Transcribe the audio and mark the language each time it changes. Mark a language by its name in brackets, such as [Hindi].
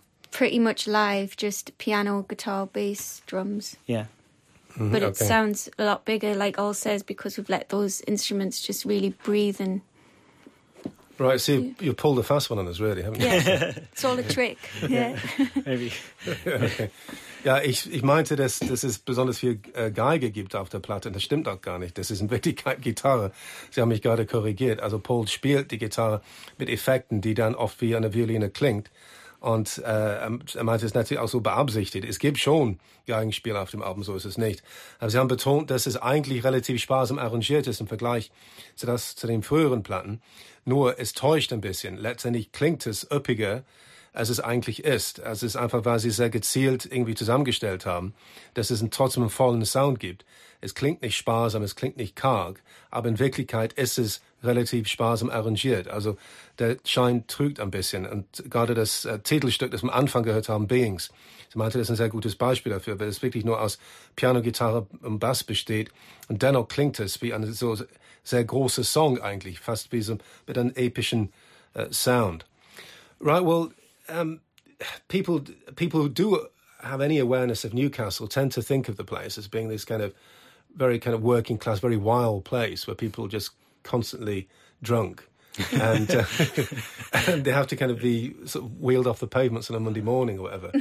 [English] Pretty much live, just piano, guitar, bass, drums. Yeah. Mm-hmm. But it okay. sounds a lot bigger, like Al says, because we've let those instruments just really breathe and... Right, so you pulled a fast one on us, really, haven't you? Yeah, it's all a trick, yeah. Maybe. Okay. [German] Ja, ich meinte, dass es besonders viel Geige gibt auf der Platte. Und das stimmt auch gar nicht. Das ist in Wirklichkeit Gitarre. Sie haben mich gerade korrigiert. Also Paul spielt die Gitarre mit Effekten, die dann oft wie eine Violine klingt. Und er meinte es natürlich auch so beabsichtigt. Es gibt schon Geigenspieler auf dem Album, so ist es nicht. Aber sie haben betont, dass es eigentlich relativ sparsam arrangiert ist im Vergleich zu den früheren Platten. Nur es täuscht ein bisschen. Letztendlich klingt es üppiger, als es eigentlich ist. Es ist einfach, weil sie sehr gezielt irgendwie zusammengestellt haben, dass es trotzdem einen vollen Sound gibt. Es klingt nicht sparsam, es klingt nicht karg, aber in Wirklichkeit ist es relativ sparsam arrangiert. Also der Schein trügt ein bisschen. Und gerade das Titelstück, das wir am Anfang gehört haben, Beings, sie meinte, das ist ein sehr gutes Beispiel dafür, weil es wirklich nur aus Piano, Gitarre und Bass besteht. Und dennoch klingt es wie ein so sehr großer Song eigentlich, fast wie so mit einem epischen Sound. [English] Right, well, people who do have any awareness of Newcastle tend to think of the place as being this kind of very kind of working class, very wild place where people are just constantly drunk. And, and they have to kind of be sort of wheeled off the pavements on a Monday morning or whatever.